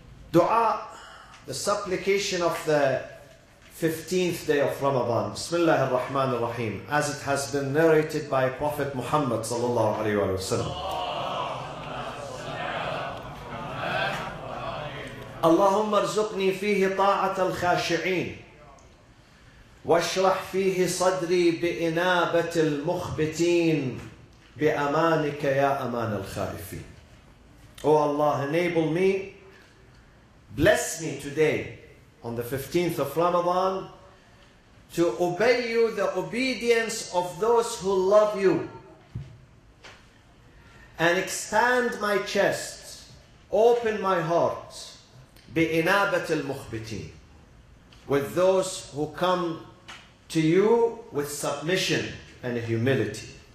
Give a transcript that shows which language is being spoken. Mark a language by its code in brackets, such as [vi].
[en] Dua, the supplication of the 15th day of Ramadan, Bismillah ar-Rahman ar-Rahim, as it has been narrated by Prophet Muhammad, sallallahu alayhi wa sallam. [ar] اللهم ارزقني فيه طاعة الخاشعين واشرح فيه صدري بإنابة المخبتين بأمانك يا أمان الخائفين. [en] Oh Allah, enable me, bless me today on the 15th of Ramadan to obey you the obedience of those who love you, and expand my chest, open my heart, [ar] بِإِنَابَةِ الْمُخْبِتِينَ, [en] with those who come to you with submission and humility.